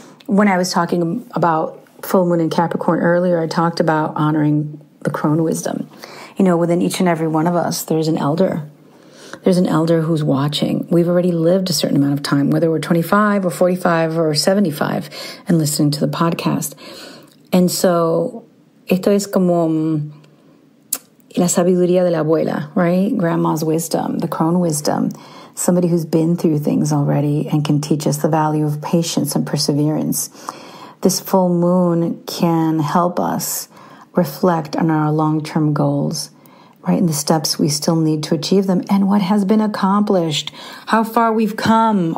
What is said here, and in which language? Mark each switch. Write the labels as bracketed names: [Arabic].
[English] When I was talking about full moon in Capricorn earlier, I talked about honoring the crone wisdom. You know, within each and every one of us, there's an elder. There's an elder who's watching. We've already lived a certain amount of time, whether we're 25 or 45 or 75, and listening to the podcast. And so, [Spanish] esto es como la sabiduría de la abuela, right? [English] Grandma's wisdom, the crone wisdom. Somebody who's been through things already and can teach us the value of patience and perseverance. This full moon can help us reflect on our long-term goals, right? And the steps we still need to achieve them and what has been accomplished, how far we've come.